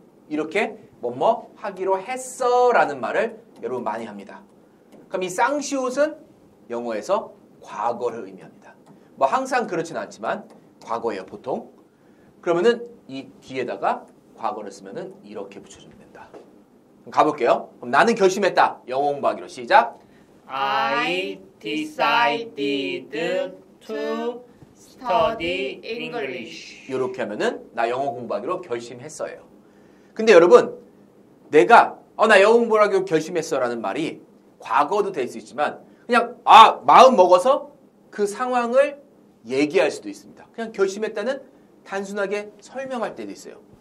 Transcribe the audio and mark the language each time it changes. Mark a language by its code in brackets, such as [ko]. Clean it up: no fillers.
[ko] 이렇게 뭐뭐 하기로 했어 라는 말을 여러분 많이 합니다. 그럼 이 쌍시옷은 영어에서 과거를 의미합니다. 뭐 항상 그렇진 않지만 과거예요 보통. 그러면은 이 뒤에다가 과거를 쓰면은 이렇게 붙여주면 된다. 그럼 가볼게요. 그럼 나는 결심했다. 영어 공부하기로 시작. [en] I decided to study English. [ko] 이렇게 하면은 나 영어 공부하기로 결심했어요. 근데 여러분 내가 나 영어 공부하기로 결심했어 라는 말이 과거도 될 수 있지만 그냥 마음 먹어서 그 상황을 얘기할 수도 있습니다. 그냥 결심했다는 단순하게 설명할 때도 있어요.